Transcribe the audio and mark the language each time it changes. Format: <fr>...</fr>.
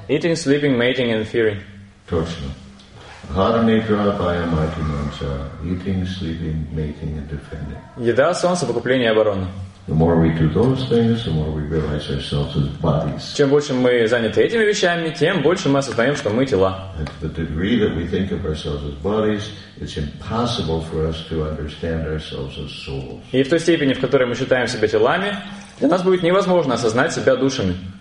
<en>Eating, sleeping, mating, and fearing.</en> <ru>Точно.</ru> <sa>Hara nidra abhaya mati mantra.</sa> <en>Eating, sleeping, mating, and defending.</en> <ru>Еда, сон, совокупление, оборона.</ru> <en>The more we do those things, the more we realize ourselves as bodies.</en> <ru>Чем больше мы заняты этими вещами, тем больше мы осознаем, что мы тела.</ru> <en>And to the degree that we think of ourselves as bodies, it's impossible for us to understand ourselves as souls.</en> <ru>И в той степени, в которой мы считаем себя телами, для нас будет невозможно осознать себя душами.</ru>